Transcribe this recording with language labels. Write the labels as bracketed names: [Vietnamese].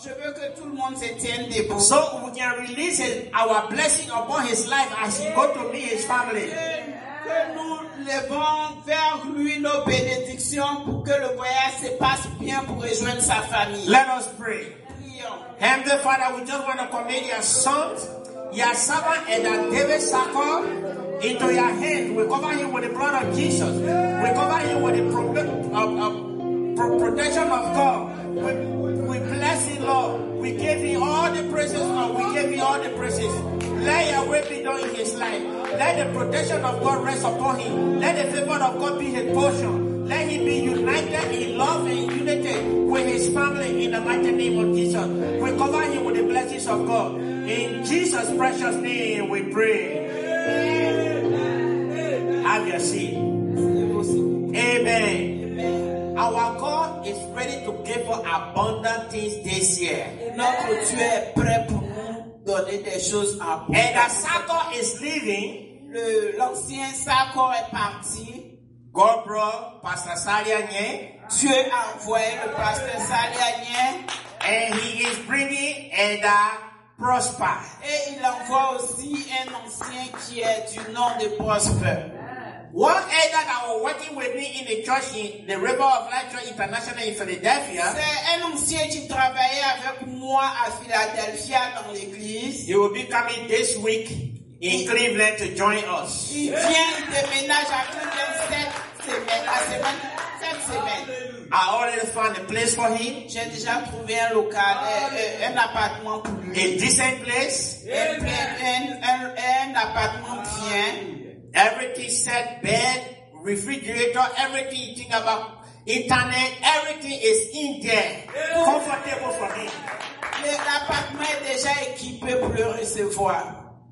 [French] Je veux que tout le monde s'étienne debout. [English] So we can release our blessing upon his life as he goes to meet his family. [French] Que nous levons vers lui nos bénédictions pour que le voyage se passe bien pour rejoindre sa famille. [English] Let us pray. Heavenly Father, we just want to commit your son, your servant, and that David Sako into your hand. We cover him with the blood of Jesus. We cover him with the protection of God. We bless him, Lord. We give him all the praises, and we give him all the praises. Let your will be done in his life. Let the protection of God rest upon him. Let the favor of God be his portion. Let him be united in love and unity with his family in the mighty name of Jesus. We cover him with the blessings of God. In Jesus' precious name we pray. Have your seat. Amen. Our God is ready to give us abundant things this year. [French] Notre Dieu est prêt pour nous donner des choses à [English] nous. And the Sako is leaving. [French] L'ancien Sako est parti. [English] God brought Pastor Salianier. [French] Dieu a envoyé le Pasteur Salianier. [English] And he is bringing Eda Prosper. [French] Et il envoie aussi un ancien qui est du nom de Prosper. [English] One elder that was working with me in the church in the River of Life Church International in Philadelphia. [French] C'est un ancien qui travaillait avec moi à Philadelphia dans l'église. [English] He will be coming this week in Cleveland to join us. [French] Il vient de déménager à Cleveland cette semaine. [English] I already found a place for him. [French] J'ai déjà trouvé un local, un appartement pour lui. [English] A decent place. [French] Un appartement bien. [English] Everything set, bed, refrigerator, everything you think about, internet, everything is in there. Comfortable for him. [French] L'appartement est déjà équipé pour le recevoir.